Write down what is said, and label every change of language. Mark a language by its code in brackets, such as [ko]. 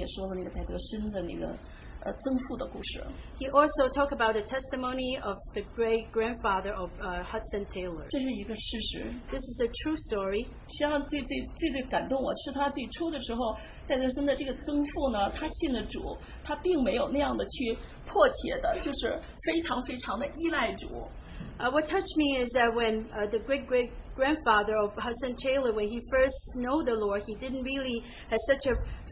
[zh] 他还讲到刚才那个米娜姊妹也说的那个戴德森的那个曾父的故事. [en] He also talked about the testimony of the great grandfather of Hudson Taylor. [zh] 这是一个事实. [en] This is a true story. [zh] 实际上最感动我是他最初的时候, 戴德森的这个曾父呢，他信了主，他并没有那样的去迫切的，就是非常非常的依赖主。 [en] What touched me is that when the great-great-grandfather of Hudson Taylor, when he first knew the Lord, he didn't really have such a